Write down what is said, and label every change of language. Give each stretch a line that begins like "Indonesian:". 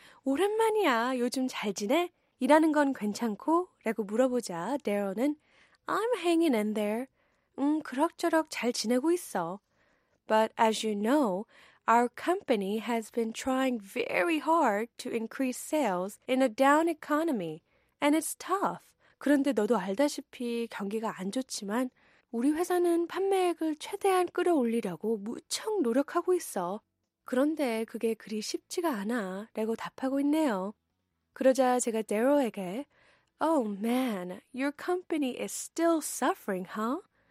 Korean: 오랜만이야, 요즘 잘 지내? 일하는 건 괜찮고? 라고 물어보자 Daryl은
English: I'm hanging in there.
Korean: 그럭저럭 잘 지내고 있어.
English: But as you know, our company has been trying very hard to increase sales in a down economy, and it's tough.
Korean: 그런데 너도 알다시피 경기가 안 좋지만 우리 회사는 판매액을 최대한 끌어올리려고 무척 노력하고 있어. 그런데 그게 그리 쉽지가 않아 라고 답하고 있네요. 그러자 제가 Daryl에게
English: Oh man, your company is still suffering, huh?